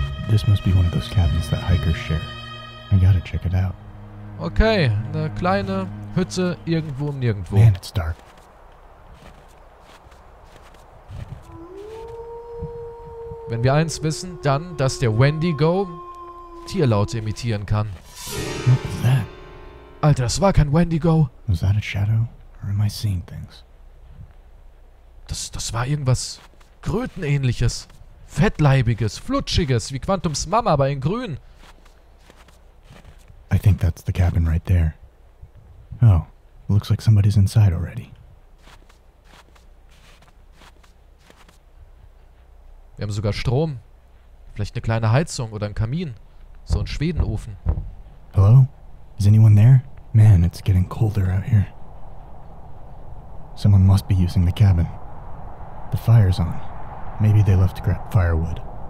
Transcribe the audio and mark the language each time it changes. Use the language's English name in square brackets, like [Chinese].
[English] This must be one of those cabins that hikers share. I gotta check it out. [German] Okay, eine kleine Hütte irgendwo und nirgendwo. [English] Man, it's dark. [German] Wenn wir eins wissen, dann, dass der Wendigo Tierlaute imitieren kann. [English] What was that? [German] Alter, das war kein Wendigo. [English] Was that a shadow? Or am I seeing things? [German] Das war irgendwas Krötenähnliches. Fettleibiges, flutschiges, wie Quantums Mama, aber in grün. [English] I think that's the cabin right there. Oh, looks like somebody's inside already. [German] Wir haben sogar Strom. Vielleicht eine kleine Heizung oder ein Kamin. So ein Schwedenofen. [English] Hello? Is anyone there? Man, it's getting colder out here. Someone must be using the cabin. The fire's on. Maybe they left to grab firewood.